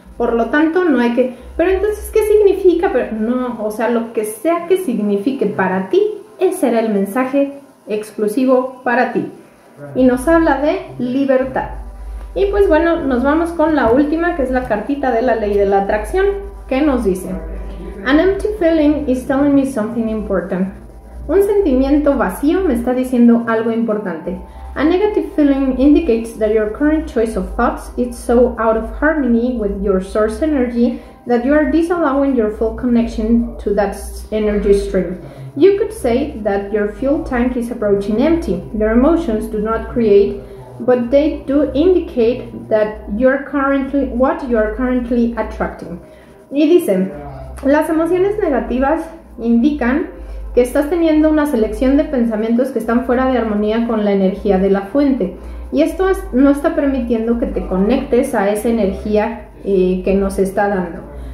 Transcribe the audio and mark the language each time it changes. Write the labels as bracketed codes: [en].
[es] Por lo tanto, no hay que... Pero entonces, ¿qué significa? Pero no, o sea, lo que sea que signifique para ti, ese era el mensaje exclusivo para ti. Y nos habla de libertad. Y pues bueno, nos vamos con la última, que es la cartita de la ley de la atracción. ¿Qué nos dice? [en] An empty feeling is telling me something important. [es] Un sentimiento vacío me está diciendo algo importante. [en] A negative feeling indicates that your current choice of thoughts is so out of harmony with your source energy that you are disallowing your full connection to that energy stream. You could say that your fuel tank is approaching empty. Your emotions do not create, but they do indicate that you're currently what you are currently attracting. [es] Y dice, las emociones negativas indican que estás teniendo una selección de pensamientos que están fuera de armonía con la energía de la fuente. Y esto no está permitiendo que te conectes a esa energía que nos está dando.